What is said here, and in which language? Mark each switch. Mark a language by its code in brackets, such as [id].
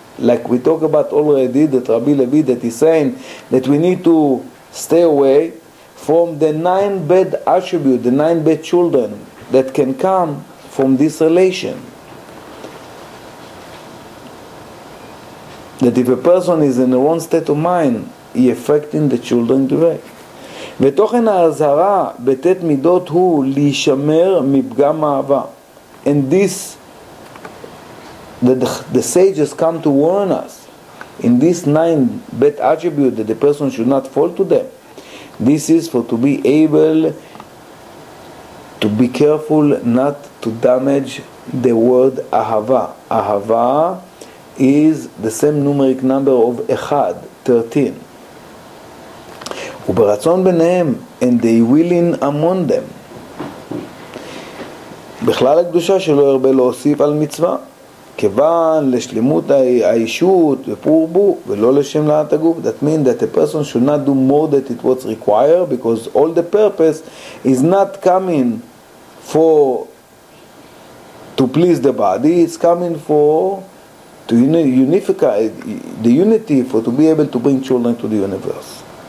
[en] Like we talk about already, that Rabbi Levi, that he's saying that we need to stay away from the nine bad attributes, the nine bad children that can come from this relation. That if a person is in the wrong state of mind, he affecting the children direct. [he] ותוכן ההזהרה בתת מידות הוא להישמר מפגם אהבה. [en] And this, the sages come to warn us in these nine bad attributes that the person should not fall to them. This is for to be able to be careful not to damage the word Ahava. Ahava is the same numeric number of Echad, 13. [he] וברצון ביניהם, [en] and they willing among them. [he] בכלל הקדושה שלא הרבה להוסיף על מצווה, כיוון לשלימות האישות ופורבו, ולא לשם לעת הגוף. [en] That means that a person should not do more than it was required, because all the purpose is not coming for to please the body, it's coming for to unify the unity, for to be able to bring children to the universe.